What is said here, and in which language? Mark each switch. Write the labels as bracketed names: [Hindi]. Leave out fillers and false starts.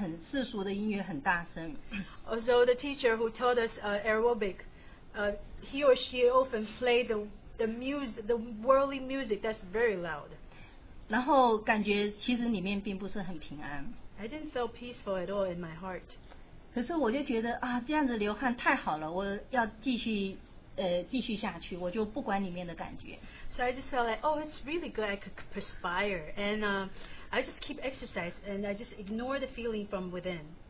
[Chinese] 可是我们的那个教我们运动的老师呢，每次都换那些音乐，都是很世俗的音乐，很大声。 [English] Also, the teacher who taught us aerobic, he or she often played the worldly music that's very loud. [Chinese] 然后感觉其实里面并不是很平安。 [English] I didn't feel peaceful at all in my heart. [Chinese] 可是我就觉得啊，这样子流汗太好了，我要继续下去，我就不管里面的感觉。 [English] So I just felt like, oh, it's really good. I could perspire, and I just keep exercise, and I just ignore the feeling from within.